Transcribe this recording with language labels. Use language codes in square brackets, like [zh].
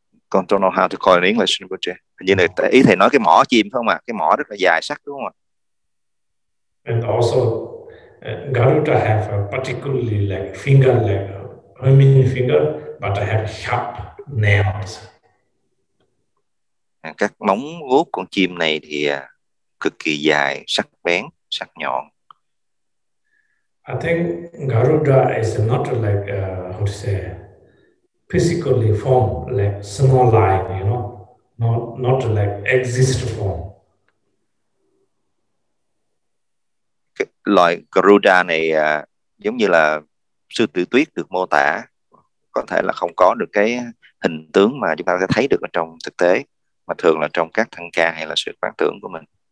[vi] Con [en] don't know how to call it in English, but [vi] hình như này ý thầy nói cái mỏ chim phải không ạ? Cái mỏ rất là dài sắc đúng không ạ? [en] And also Garuda have a particularly like finger like I mean finger but have sharp nails. [vi] Các móng vuốt con chim này thì cực kỳ dài, sắc bén, sắc nhọn. [en] I think Garuda is not like how to say physically form like small lion, you know. Not like exist form. [vi] Cái loại Garuda này giống như là sư tử tuyết được mô tả, có thể là không có được cái hình tướng mà chúng ta sẽ thấy được ở trong thực tế, mà thường là trong các thân ca hay là sự quán tưởng của mình.